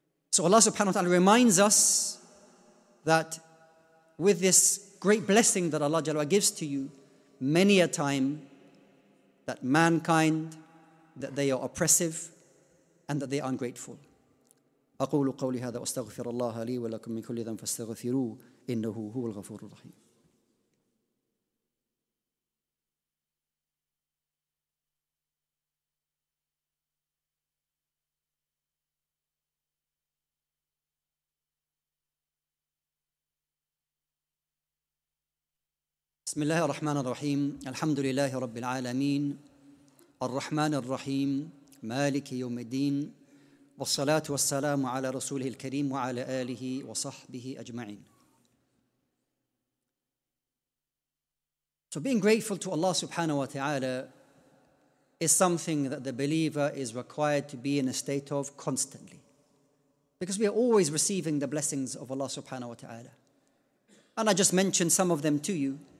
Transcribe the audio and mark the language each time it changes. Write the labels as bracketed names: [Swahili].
[English] So Allah subhanahu wa ta'ala reminds us that with this great blessing that Allah jalla gives to you, many a time that mankind, that they are oppressive and that they are ungrateful. [Arabic] أقول قولي هذا واستغفر الله لي ولكم من كل ذنب فاستغفروه إنه هو الغفور الرحيم. بسم الله الرحمن الرحيم الحمد لله رب العالمين الرحمن الرحيم مالك يوم الدين والصلاة والسلام على رسوله الكريم وعلى آله وصحبه أجمعين. [English] So being grateful to Allah subhanahu wa ta'ala is something that the believer is required to be in a state of constantly. Because we are always receiving the blessings of Allah subhanahu wa ta'ala. And I just mentioned some of them to you.